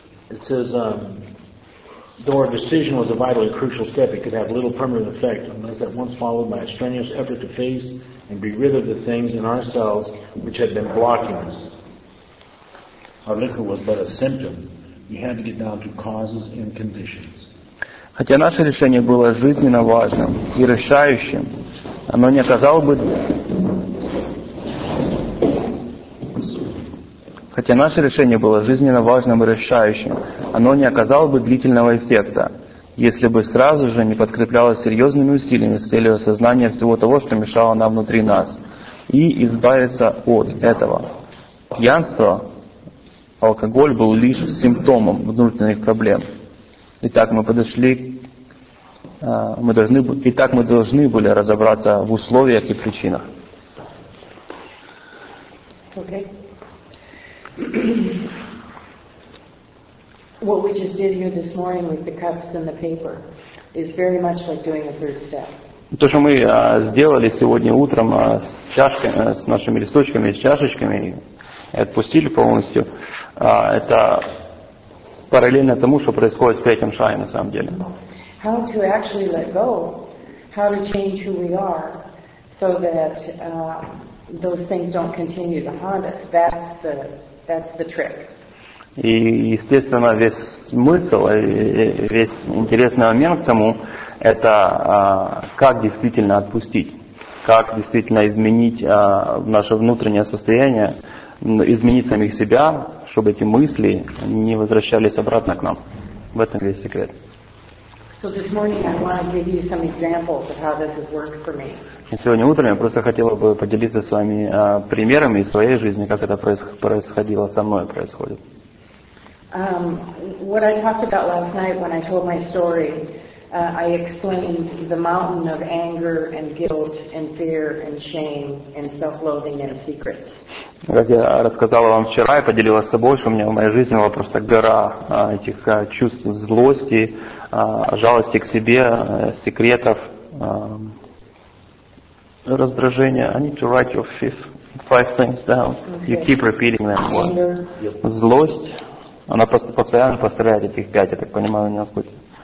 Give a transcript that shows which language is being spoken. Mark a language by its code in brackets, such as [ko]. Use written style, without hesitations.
[en] It says, though our decision was a vital and crucial step, it could have little permanent effect unless at once followed by a strenuous effort to face and be rid of the things in ourselves which had been blocking us. Our liquor was but a symptom. We had to get down to causes and conditions. [ru] Хотя наше решение было жизненно важным и решающим, оно не оказало бы... Хотя наше решение было жизненно важным и решающим, оно не оказало бы длительного эффекта, если бы сразу же не подкреплялось серьезными усилиями с целью осознания всего того, что мешало нам внутри нас, и избавиться от этого. Пьянство, алкоголь был лишь симптомом внутренних проблем. Итак, мы подошли, мы должны, итак, мы должны были разобраться в условиях и причинах. [en] Okay. What we just did here this morning with the cups and the paper is very much like doing a third step. [ru] То, что мы сделали сегодня утром с чашками, с нашими листочками, с чашечками, и отпустили полностью, это параллельно тому, что происходит в третьем шаге на самом деле. [en] How to actually let go, how to change who we are, so that those things don't continue to haunt us. That's the trick. [ru] И, естественно, весь смысл, весь интересный момент к тому, это как действительно отпустить, как действительно изменить наше внутреннее состояние, изменить самих себя, чтобы эти мысли не возвращались обратно к нам. В этом весь секрет. [en] So this morning I want to give you some examples of how this has worked for me. [ru] Сегодня утром я просто хотела бы поделиться с вами примерами из своей жизни, как это происходило со мной, происходит. [en] What I talked about last night when I told my story, I explained the mountain of anger and guilt and fear and shame and self-loathing and secrets. [ru] Как я рассказала вам вчера и поделилась с собой, что у меня в моей жизни была просто гора этих чувств злости, жалости к себе, секретов. Раздражение. [en] I need to write your five things down. Okay. You keep repeating them. Anger. [ru] Злость. Она постоянно повторяет этих пять, я так понимаю, у нее в пути.